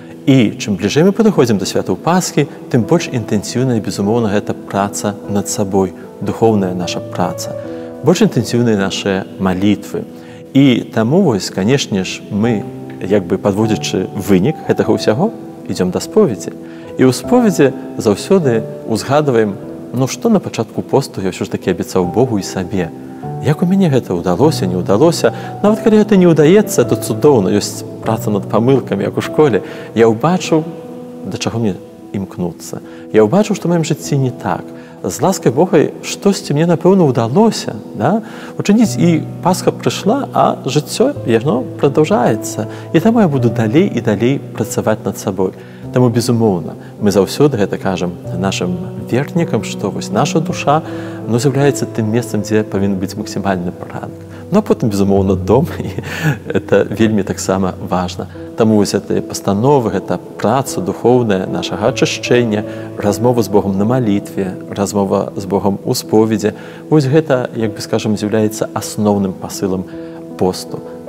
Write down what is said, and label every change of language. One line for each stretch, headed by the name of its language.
Russian: И чем ближе мы подходим до святого Пасхи, тем больше интенсивная, безумовно, это праца над собой, духовная наша праца, больше интенсивные наши молитвы. И тому, вот, конечно же, мы, как бы подводячи выник этого всего, идем до споведи. И у споведи завсёды узгадываем, ну что на початку посту я все же таки обещал Богу и себе.
Belarusian: Як у мене гэта ўдалося, не ўдалося? Нават калі гэта не ўдаецца, то цудоўна, ёсць праца над памылкамі, як у школе. Я ўбачыў, да чаго мне імкнуцца. Я ўбачыў, што ў маім жыцці не так. З ласкай Бога штосьці мне, напэўна, ўдалося. Да? Учыніць, і Пасха прыйшла, а жыццё, яно прадаўжаецца. І таму я буду далей і далей працаваць над сабой.
Russian: Тому, безумовно, мы завсёды это кажем нашим вернікам, что вот наша душа, ну, является тем местом, где повинен быть максимальный паранг. Ну, а потом, безумовно, дом, и это вельми так само важно. Тому вот эти постановы, это праца духовная, наше очищение, размова с Богом на молитве, размова с Богом у споведи, вот это, как бы скажем, является основным посылом посту.